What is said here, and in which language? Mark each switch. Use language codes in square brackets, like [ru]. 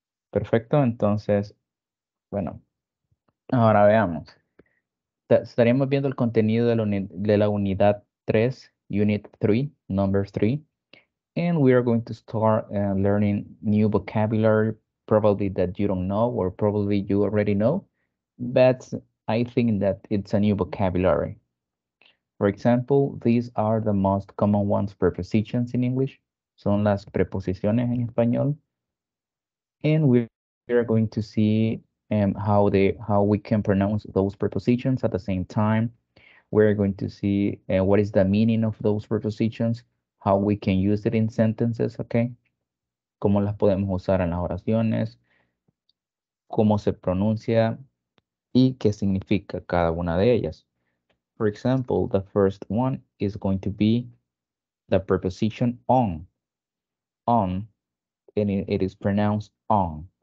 [es] Perfecto, entonces, bueno, ahora veamos. Estaríamos viendo el contenido de la unidad 3, [en] Unit 3, Number 3. And we are going to start learning new vocabulary, probably that you don't know, or probably you already know. But I think that it's a new vocabulary. For example, these are the most common ones, prepositions in English. [es] Son las preposiciones en español. [en] And we are going to see how we can pronounce those prepositions at the same time. We're going to see what is the meaning of those prepositions, how we can use it in sentences, okay? [es] Cómo las podemos usar en las oraciones, cómo se pronuncia y qué significa cada una de ellas. [en] For example, the first one is going to be the preposition on, and it is pronounced on.